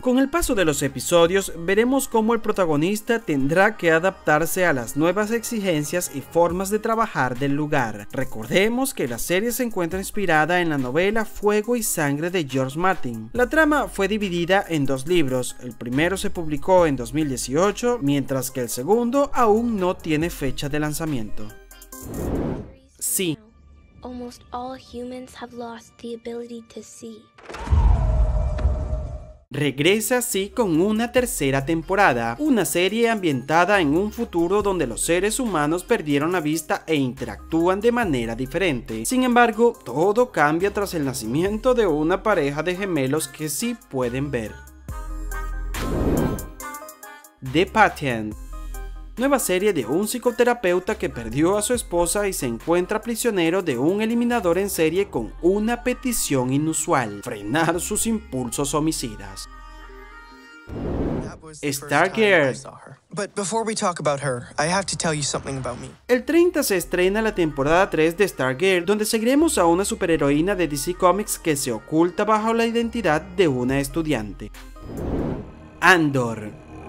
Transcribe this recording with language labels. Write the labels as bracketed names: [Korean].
[Spanish] Con el paso de los episodios, veremos cómo el protagonista tendrá que adaptarse a las nuevas exigencias y formas de trabajar del lugar. Recordemos que la serie se encuentra inspirada en la novela Fuego y Sangre de George Martin. La trama fue dividida en 2 libros, el primero se publicó en 2018, mientras que el segundo aún no tiene fecha de lanzamiento. Sí. [English] Almost all humans have lost the ability to see. [Spanish] Regresa así con una tercera temporada, una serie ambientada en un futuro donde los seres humanos perdieron la vista e interactúan de manera diferente. Sin embargo, todo cambia tras el nacimiento de una pareja de gemelos que sí pueden ver. The Patient. Nueva serie de un psicoterapeuta que perdió a su esposa y se encuentra prisionero de un eliminador en serie con una petición inusual: frenar sus impulsos homicidas. Stargirl. [English] But before we talk about her, I have to tell you something about me. [Spanish] El 30 se estrena la temporada 3 de Stargirl, donde seguiremos a una superheroína de DC Comics que se oculta bajo la identidad de una estudiante. Andor.